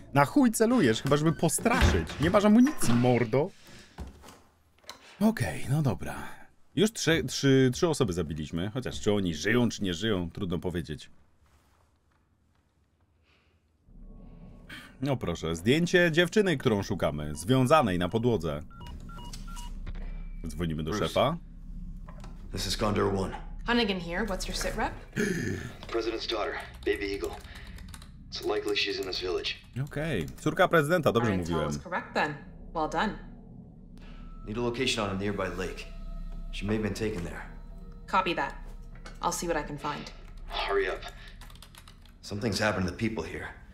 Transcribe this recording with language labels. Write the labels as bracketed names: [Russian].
[Polish] Na chuj celujesz, chyba żeby postraszyć. Nie masz amunicji, mordo. Okej, no dobra. Już trzy osoby zabiliśmy, chociaż czy oni żyją, czy nie żyją, trudno powiedzieć. No proszę, zdjęcie dziewczyny, którą szukamy, związanej na podłodze. Dzwonimy do szefa. [English] This is Condor One. Hunnigan here, what's your sit rep? President's daughter, Baby Eagle. It's likely she's in this village. [Polish] Okej, córka prezydenta, dobrze mówiłem. [English] Well done. Need a location on a nearby lake. She may have been taken there. Copy that. I'll see what I can find. Hurry up. Something's happened to the people here.